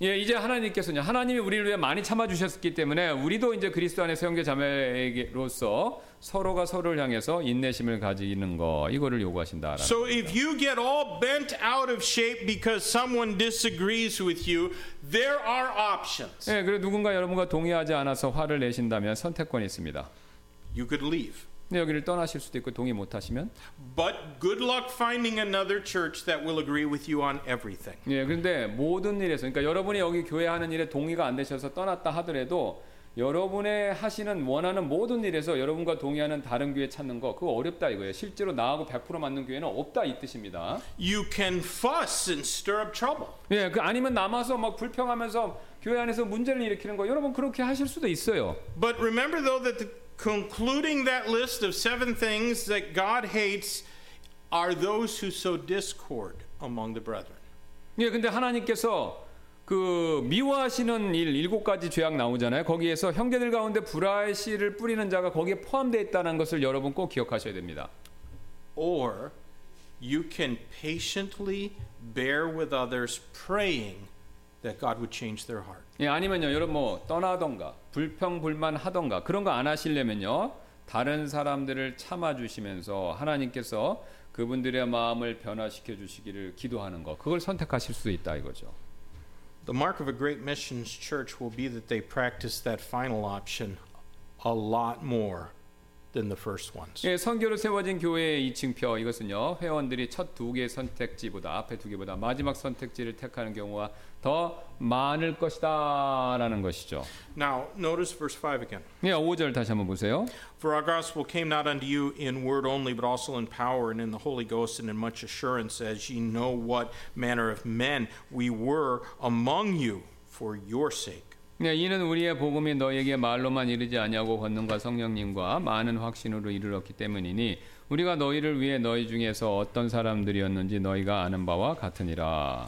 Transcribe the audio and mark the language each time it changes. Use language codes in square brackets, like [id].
[ko] 예, 이제 하나님께서는요 하나님이 우리를 위해 많이 참아 주셨기 때문에 우리도 이제 그리스도 안에 형제 자매로서 서로가 서로를 향해서 인내심을 가지는 거 이거를 요구하신다라는. [en] So if you get all bent out of shape because someone disagrees with you, there are options. [ko] 예, 그리고 누군가 여러분과 동의하지 않아서 화를 내신다면 선택권이 있습니다. [en] You could leave. [ko] 여기를 떠나실 수도 있고 동의 못 하시면 [en] But good luck finding another church that will agree with you on everything. [ko] 예, 그런데 모든 일에서 그러니까 여러분이 여기 교회 하는 일에 동의가 안 되셔서 떠났다 하더라도 여러분의 하시는 원하는 모든 일에서 여러분과 동의하는 다른 교회 찾는 거 그거 어렵다 이거예요. 실제로 나하고 100% 맞는 교회는 없다 이 뜻입니다. [en] You can fuss and stir up trouble. [ko] 예, 그 아니면 남아서 막 불평하면서 교회 안에서 문제를 일으키는 거 여러분 그렇게 하실 수도 있어요. [en] But remember though that the Concluding that list of seven things that God hates are those who sow discord among the brethren. [ko] 예, 근데 하나님께서 그 미워하시는 일 일곱 가지 죄악 나오잖아요. 거기에서 형제들 가운데 불화의 씨를 뿌리는 자가 거기에 포함되어 있다는 것을 여러분 꼭 기억하셔야 됩니다. [en] Or you can patiently bear with others praying that God would change their heart. [ko] 예, 아니면요, 여러분 뭐 떠나던가 불평 불만 하던가 그런 거 안 하시려면요 다른 사람들을 참아 주시면서 하나님께서 그분들의 마음을 변화시켜 주시기를 기도하는 거 그걸 선택하실 수 있다 이거죠. [en] The mark of a great missions church will be that they practice that final option a lot more than the first ones. [ko] 예, 선교로 세워진 교회의 이 증표 이것은요 회원들이 첫 두 개 선택지보다 앞에 두 개보다 마지막 선택지를 택하는 경우와 더 많을 것이다라는 것이죠. [en] Now notice verse 5 again. [ko] 예, 5절 다시 한번 보세요. [en] For our gospel came not unto you in word only, but also in power and in the Holy Ghost and in much assurance, as ye know what manner of men we were among you for your sake. [ko] 예, 이는 우리의 복음이 너에게 말로만 이르지 아니하고 권능과 성령님과 많은 확신으로 이르렀기 때문이니 우리가 너희를 위해 너희 중에서 어떤 사람들이었는지 너희가 아는 바와 같으니라.